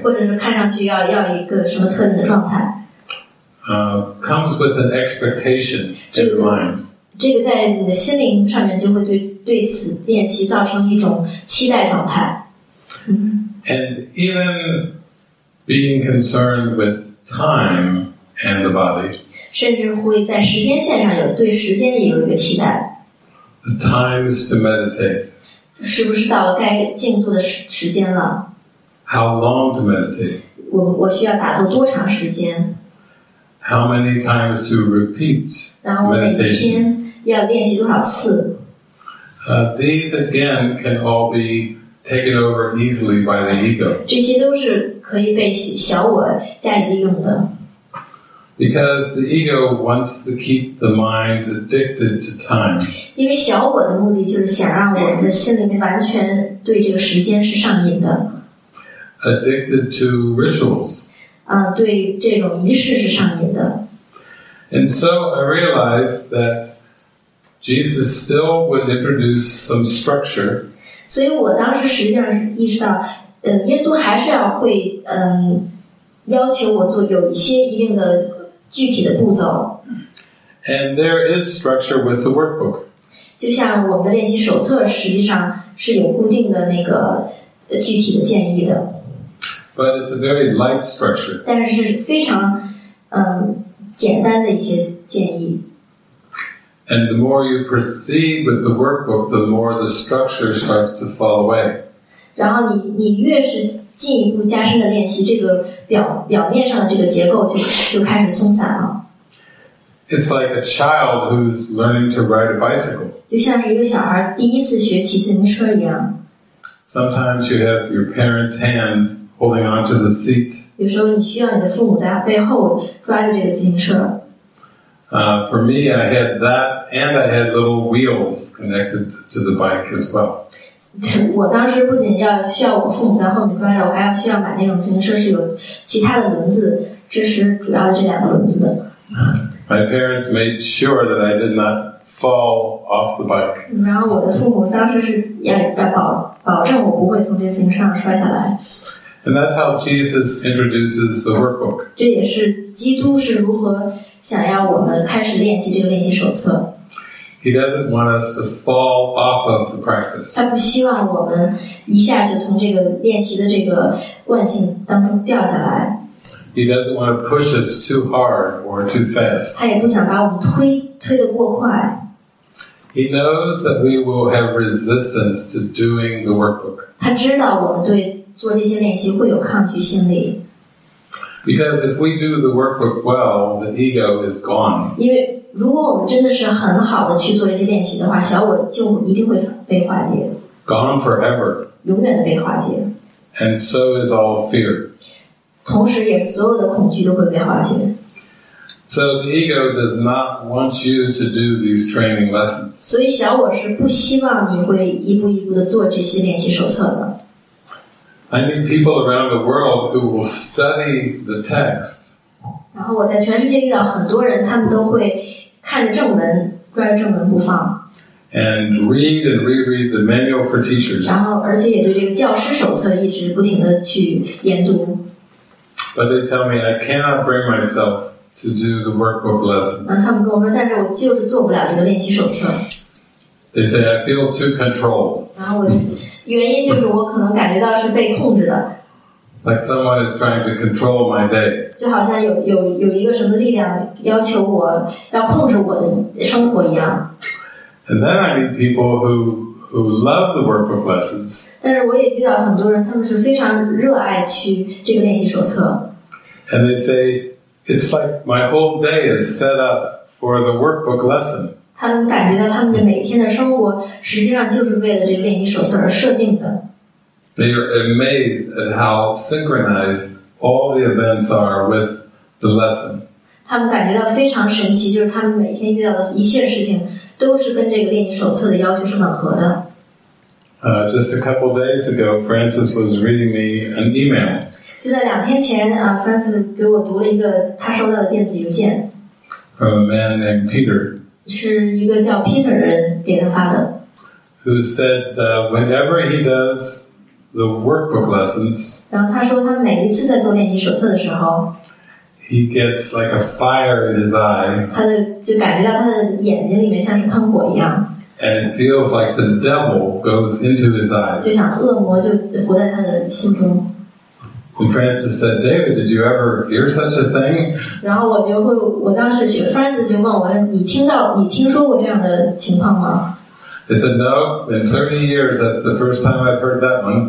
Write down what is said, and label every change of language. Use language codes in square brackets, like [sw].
[zh] 或者是看上去要一个什么特定的状态。 [en] Comes with an expectation in the mind. [zh] 这个在你的心灵上面就会对此练习造成一种期待状态。 [en] And even being concerned with time and the body. [zh] 甚至会在时间线上有对时间也有一个期待。 [en] The time is to meditate. [zh] 是不是到了该静坐的时间了？ [en] How long to meditate? [zh] 我需要打坐多长时间？ [en] How many times to repeat meditation? [zh] 然后每天要练习多少次？ [en] These again can all be taken over easily by the ego. [zh] 这些都是可以被小我加以利用的。 [en] Because the ego wants to keep the mind addicted to time. [zh] 因为小我的目的就是想让我们的心里面完全对这个时间是上瘾的。 [en] Addicted to rituals. [zh] 对这种仪式是上瘾的。 [en] And so I realized that Jesus still would introduce some structure. [zh] 所以我当时实际上意识到，耶稣还是要会要求我做有一些一定的。具体的步骤。 [en] And there is structure with the workbook. [zh] 就像我们的练习手册实际上是有固定的那个具体的建议的。 [en] But it's a very light structure. [zh] 但是非常简单的一些建议。 [en] And the more you proceed with the workbook, the more the structure starts to fall away. [zh] 然后你越是进一步加深的练习，这个表面上的这个结构就开始松散了。 [en] It's like a child who's learning to ride a bicycle. [zh] 就像是一个小孩第一次学骑自行车一样。 [en] Sometimes you have your parents' hand holding onto the seat. [zh] 有时候你需要你的父母在背后抓着这个自行车。 [en] For me, I had that, and I had little wheels connected to the bike as well. [zh] 我当时不仅需要我父母在后面抓着，我还要需要买那种自行车是有其他的轮子支持主要的这两个轮子的。 [en] My parents made sure that I did not fall off the bike. [zh] 然后我的父母当时是要保证我不会从这自行车上摔下来。 [en] And that's how Jesus introduces the workbook. [zh] 这也是基督是如何想要我们开始练习这个练习手册。 [en] He doesn't want us to fall off of the practice. [zh] 他不希望我们一下就从这个练习的这个惯性当中掉下来。 [en] He doesn't want to push us too hard or too fast. [zh] 他也不想把我们推得过快。 [en] He knows that we will have resistance to doing the workbook. [zh] 他知道我们对做这些练习会有抗拒心理。 [en] Because if we do the workbook well, the ego is gone. [zh] 因为如果我们真的是很好的去做一些练习的话，小我就一定会被化解。 [en] Gone forever. [zh] 永远的被化解。 [en] And so is all fear. [zh] 同时也所有的恐惧都会被化解。 [en] So the ego does not want you to do these training lessons. [zh] 所以小我是不希望你会一步一步的做这些练习手册的。 [en] I meet people around the world who will study the text. [zh] 然后我在全世界遇到很多人，他们都会看着正文，拽正门不放。 [en] And read and reread the manual for teachers. [zh] 然后而且也对这个教师手册一直不停的去研读。 [en] But they tell me I cannot bring myself to do the workbook lesson. [zh] 然后他们跟我说，但是我就是做不了这个练习手册。 [en] They say I feel too controlled. [zh] 然后我原因就是我可能感觉到是被控制的。 [en] Like someone is trying to control my day. [zh] 就好像有一个什么力量要求我要控制我的生活一样。 [en] And then I meet people who love the workbook lessons. [zh] 但是我也遇到很多人，他们是非常热爱去这个练习手册。 [en] And they say it's like my whole day is set up for the workbook lesson. [zh] 他们感觉到他们的每天的生活实际上就是为了这个练习手册而设定的。 [en] They are amazed at how synchronized all the events are with the lesson. [zh] 他们感觉到非常神奇，就是他们每天遇到的一切事情都是跟这个练习手册的要求是吻合的。 [en] Just a couple days ago, Francis was reading me an email. [zh] 就在两天前啊 ，Francis 给我读了一个他收到的电子邮件。 [en] From a man named Peter. [zh] 是一个叫 Peter 的人给他发的。 [en] Who said that whenever he does the workbook lessons. [zh] 然后他说他每一次在做练习手册的时候 [en] ，He gets like a fire in his eye. [zh] 他的就感觉到他的眼睛里面像是喷火一样。 [en] And it feels like the devil goes into his eyes. [zh] 就像恶魔就活在他的心中。 [en] And Francis said, David, did you ever hear such a thing? [zh] 然后我当时去 Francis 就问我，你听说过这样的情况吗？ [en] He said, no, in 30 years, that's the first time I've heard that one.